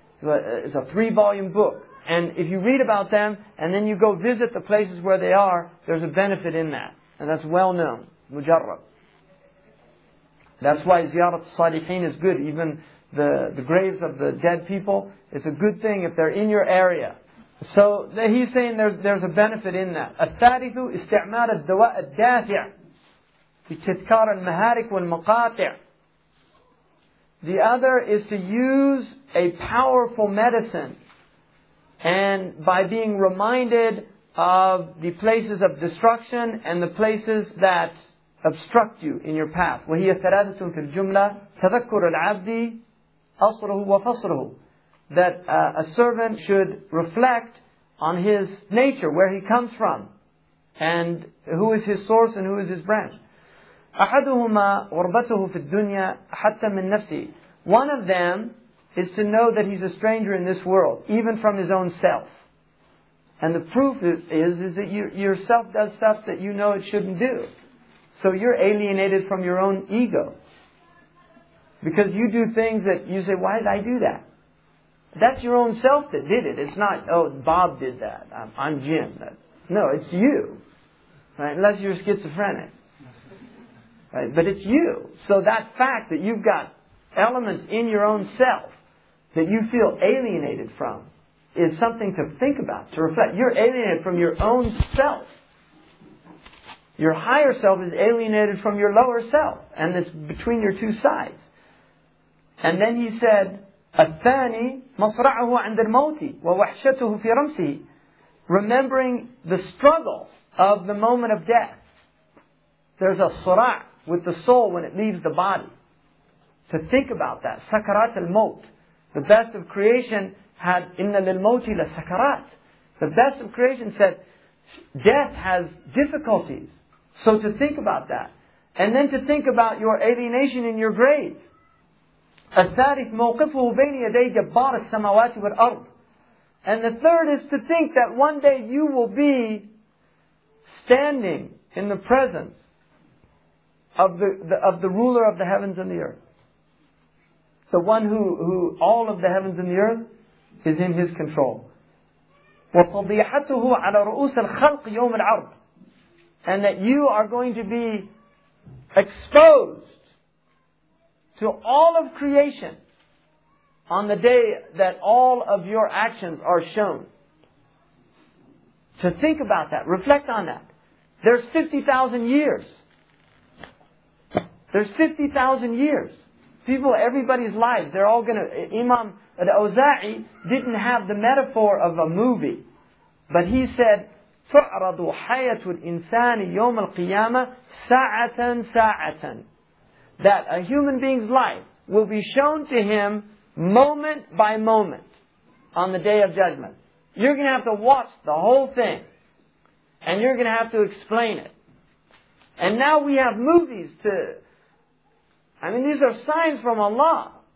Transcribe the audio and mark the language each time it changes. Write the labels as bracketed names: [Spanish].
[English] It's a 3-volume book. And if you read about them, and then you go visit the places where they are, there's a benefit in that. And that's well known. Mujarrab. That's why Ziyarat al-Salihin is good. Even the graves of the dead people, it's a good thing if they're in your area. So he's saying there's a benefit in that. [Arabic] الثالث استعمال الدواء الدافع لتذكار المهارك والمقاطع. [English] The other is to use a powerful medicine, and by being reminded of the places of destruction and the places that obstruct you in your path. [Arabic] وهي ثلاثة في الجملة تذكر العبد أصره وفصره. [English] That a servant should reflect on his nature, where he comes from, and who is his source and who is his branch. [Arabic] أحدهما غربته في الدنيا حتى من نفسه. [English] One of them is to know that he's a stranger in this world, even from his own self. And the proof is that your self does stuff that you know it shouldn't do. So you're alienated from your own ego. Because you do things that you say, why did I do that? That's your own self that did it. It's not, oh, Bob did that. I'm Jim. No, it's you. Right? Unless you're schizophrenic. Right? But it's you. So that fact that you've got elements in your own self that you feel alienated from is something to think about, to reflect. You're alienated from your own self. Your higher self is alienated from your lower self. And it's between your two sides. And then he said, [Arabic] الثاني مصرعه عند الموت ووحشته في رمسه. [English] Remembering the struggle of the moment of death. There's a sura' with the soul when it leaves the body. To think about that. Sakarat al-maut. The best of creation had [Arabic] إِنَّ لِلْمَوْتِ لَسَكَرَاتِ. [English] The best of creation said death has difficulties. So to think about that. And then to think about your alienation in your grave. [Arabic] الثالث موقفه بين يدي جبار السماوات والأرض. [English] And the third is to think that one day you will be standing in the presence of the ruler of the heavens and the earth. The one who all of the heavens and the earth is in his control. [Arabic] وَفَضِيحَتُهُ عَلَى رُؤُوسَ الْخَلْقِ يَوْمِ الْعَرْضِ. [English] And that you are going to be exposed to all of creation on the day that all of your actions are shown. To think about that. Reflect on that. There's 50,000 years. There's 50,000 years. People, everybody's lives, they're all going to... Imam al-Awza'i didn't have the metaphor of a movie. But he said, [Arabic] تُعْرَضُ حَيَةُ الْإِنسَانِ يَوْمَ الْقِيَامَةِ سَاعَةً سَاعَةً. [English] that a human being's life will be shown to him moment by moment on the Day of Judgment. You're going to have to watch the whole thing. And you're going to have to explain it. And now we have movies to... I mean, these are signs from Allah.